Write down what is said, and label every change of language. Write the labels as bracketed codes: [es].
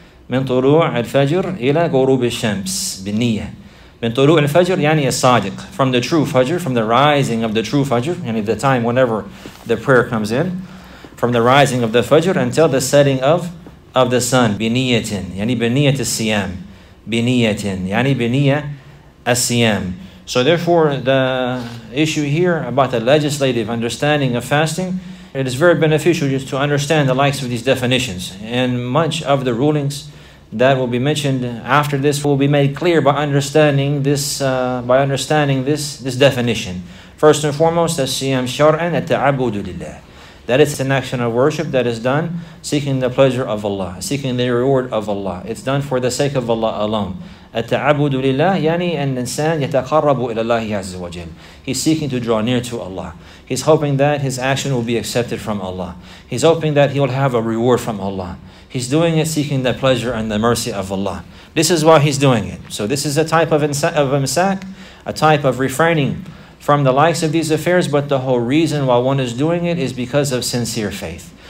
[ar] من طلوع الفجر إلى غروب الشمس بالنية. من طلوع الفجر يعني الصادق, [en] from the true fajr, from the rising of the true fajr, يعني the time whenever the prayer comes in, from the rising of the fajr until the setting of the sun. [ar] بنية يعني بنية السيام. بِنِيَّةٍ يعني بِنِيَّةَ السِّيَامِ. [en] So therefore, the issue here about the legislative understanding of fasting, it is very beneficial just to understand the likes of these definitions. And much of the rulings that will be mentioned after this will be made clear by understanding this, this definition. First and foremost, [ar] السِّيَامِ شَرْعًا التَّعَبُدُ لِلَّهِ, [en] that it's an action of worship that is done seeking the pleasure of Allah, seeking the reward of Allah. It's done for the sake of Allah alone. [ar] التعبد لله يعني أن الإنسان يتقرب إلى الله عز وجل. [en] He's seeking to draw near to Allah. He's hoping that his action will be accepted from Allah. He's hoping that he will have a reward from Allah. He's doing it seeking the pleasure and the mercy of Allah. This is why he's doing it. So this is a type of imsak, a type of refraining from the likes of these affairs, but the whole reason why one is doing it is because of sincere faith.